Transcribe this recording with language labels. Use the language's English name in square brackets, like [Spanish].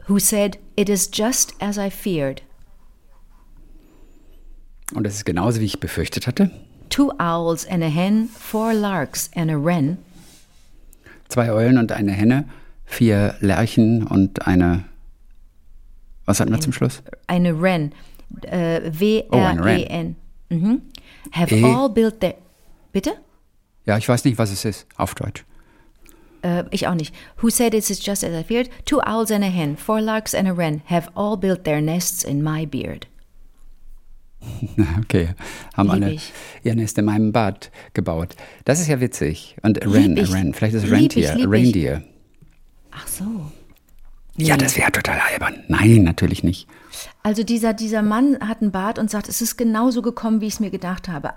[English] Who said, it is just as I feared. [German] Und das ist genauso, wie ich befürchtet hatte. [English] Two owls and a hen, four larks and a wren. [German] Zwei Eulen und eine Henne, vier Lerchen und eine, was hatten wir zum Schluss? Eine Wren. W-R-E-N. Oh, ein Wren. [English] Mhm. Have all built their, bitte? [German] Ja, ich weiß nicht, was es ist, auf Deutsch. Ich auch nicht. [English] Who said it is just as I feared? Two owls and a hen, four larks and a wren have all built their nests in my beard. [German] Okay, haben alle ihr Nest in meinem Bad gebaut. Das ist ja witzig. Und Ren, vielleicht ist Reindeer. Reindeer. Ach so. Nee. Ja, das wäre total albern. Nein, natürlich nicht. Also dieser Mann hat einen Bart und sagt, es ist genauso gekommen, wie ich es mir gedacht habe.